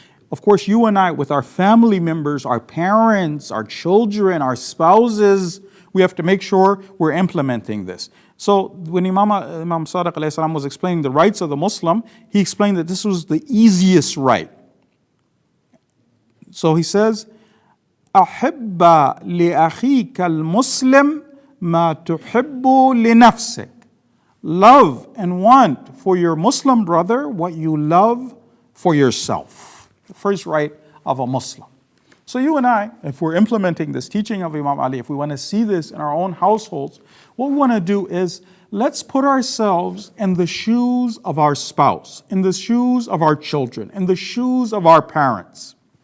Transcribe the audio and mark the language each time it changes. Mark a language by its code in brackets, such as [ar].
[en] Of course, you and I, with our family members, our parents, our children, our spouses, we have to make sure we're implementing this. So when Imam Sadiq alayhi salam was explaining the rights of the Muslim, he explained that this was the easiest right. So he says, [ar] أَحِبَّ لِأَخِيكَ الْمُسْلِمْ مَا تُحِبُّ لِنَفْسِكَ. [en] Love and want for your Muslim brother what you love for yourself. The first right of a Muslim. So you and I, if we're implementing this teaching of Imam Ali, if we want to see this in our own households, what we want to do is, let's put ourselves in the shoes of our spouse, in the shoes of our children, in the shoes of our parents.